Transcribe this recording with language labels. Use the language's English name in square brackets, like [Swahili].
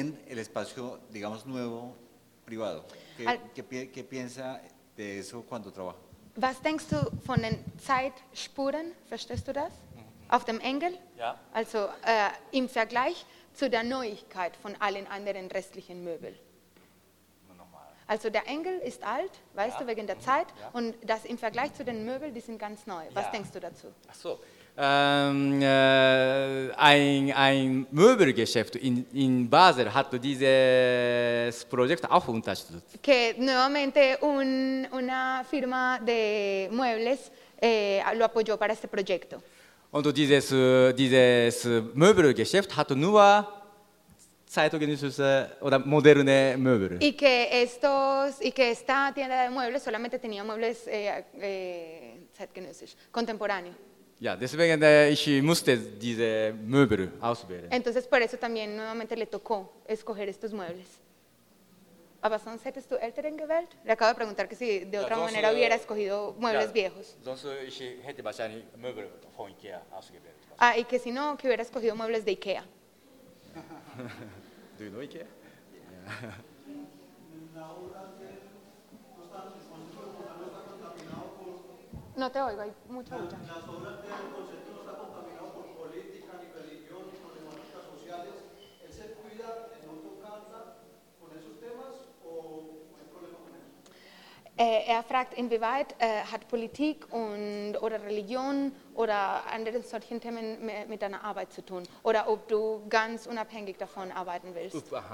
[Spanish] en el espacio, digamos, nuevo, privado. ¿Qué piensa de eso cuando trabaja? [German] Was denkst du von den Zeitspuren, verstehst du das? Uh-huh. Auf dem Engel? Ja. Also im Vergleich zu der Neuigkeit von allen anderen restlichen Möbeln. Also der Engel ist alt, weißt ja. du, wegen der Zeit, ja. und das im Vergleich zu den Möbeln, die sind ganz neu. Was ja. denkst du dazu? Ach so, ein Möbelgeschäft in Basel hat dieses Projekt auch unterstützt. [Spanish] Que nuevamente una firma de muebles lo apoyó para este proyecto. [German] Und dieses Möbelgeschäft hat nur zeitgenössische oder moderne Möbel. Und diese [Spanish] Tienda de Muebles solamente tenía muebles [German] zeitgenössisch, [Spanish] contemporáneo. [German] Ja, deswegen ich musste diese Möbel auswählen. [Spanish] Entonces por eso también nuevamente le tocó escoger estos muebles. [German] Aber sonst hättest du älteren gewählt? [Spanish] Le acabo de preguntar que si de otra manera hubiera escogido muebles viejos. [German] Sonst ich hätte wahrscheinlich Möbel von IKEA ausgewählt. [Spanish] Y que si no, que hubiera escogido muebles de IKEA. [English] Do you know IKEA? [Spanish] No te oigo, hay mucha lucha. Las obras de él, el concepto no está contaminado por política, ni religión, ni por demandas sociales. ¿Él se cuida de no tocarla con esos temas o hay problema con eso? [German] Er fragt, inwieweit hat Politik und oder Religion oder andere solchen Themen mit deiner Arbeit zu tun? Oder ob du ganz unabhängig davon arbeiten willst?